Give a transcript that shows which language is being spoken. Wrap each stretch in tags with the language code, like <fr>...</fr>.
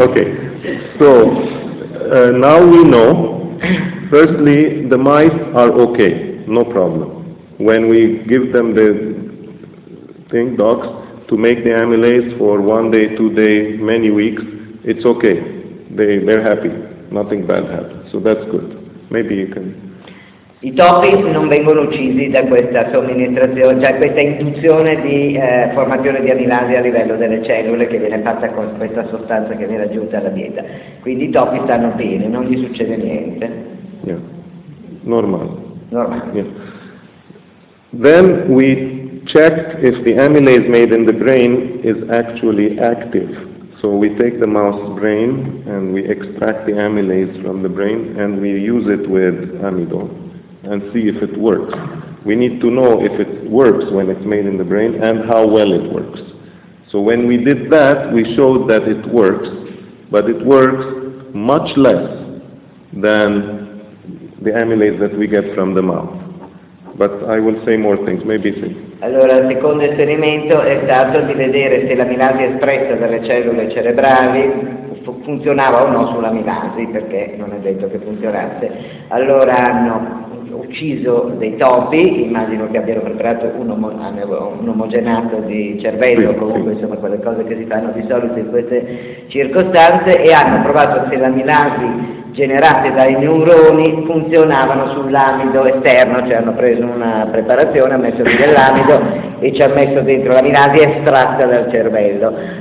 <en>Okay, so now we know, firstly, the mice are okay, no problem. When we give them the thing, dogs, to make the amylase for 1 day, 2 day, many weeks, it's okay. They're happy. Nothing bad happens. So that's good. Maybe you can...</en> <it>I topi non vengono uccisi da questa somministrazione, cioè questa induzione di formazione di amilasi a livello delle cellule che viene fatta con questa sostanza che viene aggiunta alla dieta. Quindi i topi stanno bene, non gli succede niente.</it> <en>Yeah. Normal. Normal. Yeah. Then we checked if the amylase made in the brain is actually active. So we take the mouse brain and we extract the amylase from the brain and we use it with amidol and see if it works. We need to know if it works when it's made in the brain and how well it works. So when we did that, we showed that it works, but it works much less than the amylase that we get from the mouth. But I will say more things, maybe soon.</en> <it>Allora, il secondo esperimento è stato di vedere se l'amilasi espressa dalle cellule cerebrali funzionava o no sull'amilasi, perché non è detto che funzionasse. Allora hanno ucciso dei topi, immagino che abbiano preparato un omogenato di cervello, comunque insomma quelle cose che si fanno di solito in queste circostanze, e hanno provato se l'amilasi generate dai neuroni funzionavano sull'amido esterno, cioè hanno preso una preparazione, hanno messo dell'amido e ci hanno messo dentro l'amilasi estratta dal cervello.</it>